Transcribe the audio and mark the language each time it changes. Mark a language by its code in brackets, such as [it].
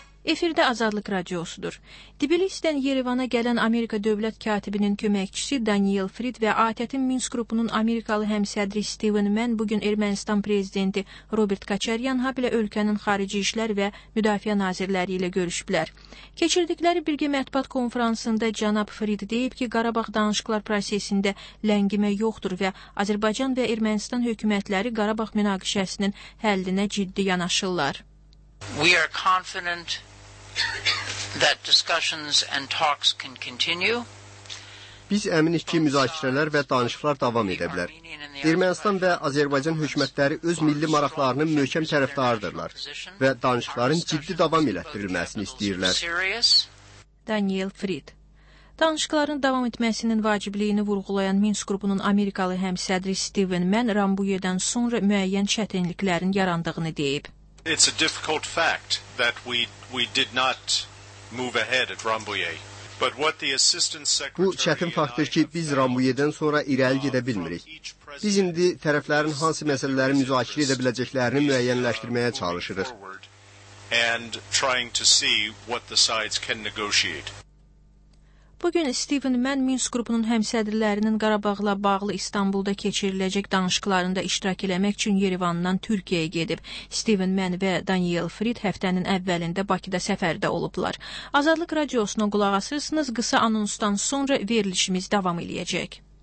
[az] Efirdə Azadlıq Radiosudur. Tbilisidən Yerevana gələn Amerika Dövlət Katibinin köməkçisi Daniel Fried və ATƏT-in Minsk qrupunun Amerikalı həmsədri Steven Mann bugün Ermənistan prezidenti Robert Kaçaryan hablə ölkənin xarici işlər və müdafiə nazirləri ilə görüşüblər. Keçirdikləri birgə mətbuat konfransında cənab Fried deyib ki, Qarabağ danışıqlar prosesində ləngimə yoxdur və Azərbaycan və Ermənistan hökumətləri Qarabağ münaqişəsinin həllinə ciddi yanaşırlar. [en] We are confident that discussions and talks can continue. [az] Biz əminik ki, müzakirələr və danışıqlar davam edə bilər. Ermənistan və Azərbaycan hökumətləri öz milli maraqlarının möhkəm tərəfdarıdırlar və danışıqların ciddi davam elətdirilməsini istəyirlər. Daniel Fried. Danışıqların davam etməsinin vacibliyini vurğulayan Minsk qrupunun Amerikalı həmsədri Steven Mann Rambuyedən sonra müəyyən çətinliklərin yarandığını deyib. [en] It's a difficult fact that we did not move ahead at Rambouillet. But what the assistant secretary [az] Bu çətin faktdır ki, biz Rambouillet-dən sonra irəli gedə bilmirik. Biz indi tərəflərin hansı məsələləri müzakirə edə biləcəklərini müəyyənləşdirməyə çalışırıq. [en] And trying to see what the sides can negotiate. [az] Bugün Steven Mann Minsk qrupunun həmsədrlərinin Qarabağla bağlı İstanbulda keçiriləcək danışıqlarında iştirak eləmək üçün Yerevandan Türkiyəyə gedib. Steven Mann və Daniel Fried həftənin əvvəlində Bakıda səfərdə olublar. Azadlıq radiosuna qulaq asırsınız, qısa anonsdan sonra verilişimiz davam eləyəcək.